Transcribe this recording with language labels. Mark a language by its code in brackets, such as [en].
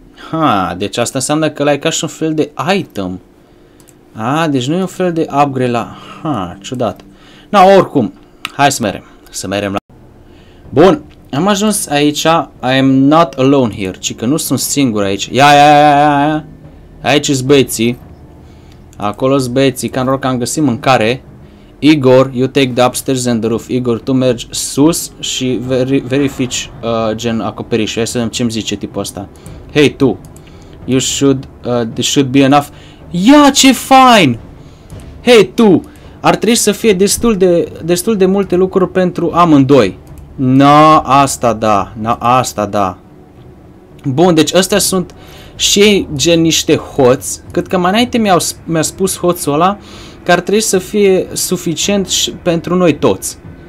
[ro] Ha, deci asta înseamnă că ăla e ca și un fel de item. A, deci nu e un fel de upgrade la, ha, ciudat. Na, oricum, hai să mergem, să mergem la... Bun, am ajuns aici, [en] I am not alone here, [ro] ci că nu sunt singur aici. Ia, aici sunt băieții, acolo sunt băieții, ca în rog am găsit mâncare. [en] Igor, you take the upstairs and the roof. [ro] Igor, tu mergi sus și verifici gen acoperișul. Hai să vedem ce-mi zice tipul ăsta. [en] Hey, [ro] tu, [en] you should, this should be enough. [ro] Ia, ce fain! Hey, tu, ar trebui să fie destul de multe lucruri pentru amândoi. Na, asta da, na, asta da. Bun, deci ăstea sunt și gen niște hoți. Cât că mai înainte mi-a spus hoțul ăla că ar trebui să fie suficient și pentru noi toți.